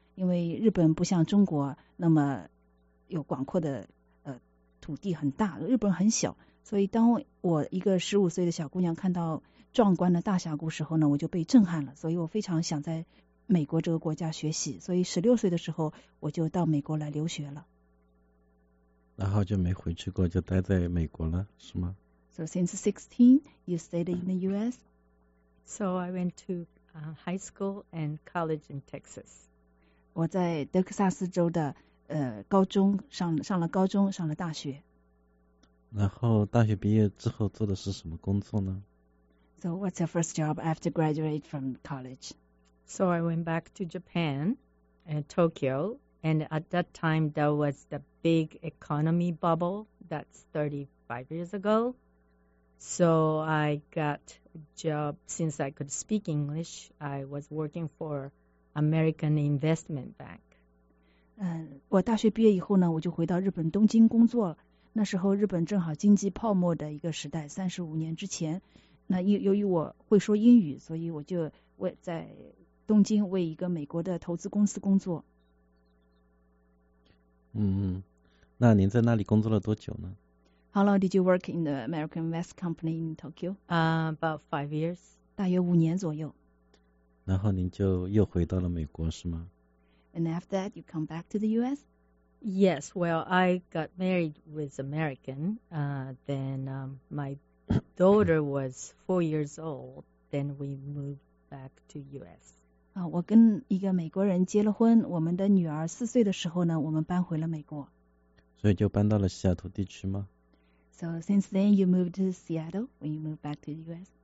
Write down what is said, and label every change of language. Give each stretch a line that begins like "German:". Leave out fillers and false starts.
Chinese: 因为日本不像中国那么有广阔的土地很大，日本很小，所以当我一个15岁的小姑娘看到壮观的大峡谷时候呢，我就被震撼了。所以我非常想在美国这个国家学习，所以16岁的时候我就到美国来留学了。然后就没回去过，就待在美国了，是吗
English: ？So since 16, you stayed in the U.S. So I went to high school and college in Texas.
Chinese: 我在德克萨斯州的高中上了高中，上了大学。然后大学毕业之后做的是什么工作呢
English: ？So what's your first job after graduate from college? So I went back to Japan, Tokyo, and at that time that was the big economy bubble. That's 35 years ago. So I got a job since I could speak English. I was working for. American Investment Bank.
Chinese: 我大学毕业以后呢，我就回到日本东京工作了。那时候日本正好经济泡沫的一个时代，35年之前。那由于我会说英语，所以我就在东京为一个美国的投资公司工作。那您在那里工作了多久呢
English: ？How long did you work in the American Invest Company in Tokyo? About 5 years.
Chinese: 大约5年左右。然后您就又回到了美国是吗
English: ？And after that, you come back to the U.S. Yes. Well, I got married with American. My daughter was 4 years old. Then we moved back to U.S.
Chinese: 我跟一个美国人结了婚。我们的女儿4岁的时候呢，我们搬回了美国。所以就搬到了西雅图地区吗
English: ？So since then, you moved to Seattle when you moved back to the U.S.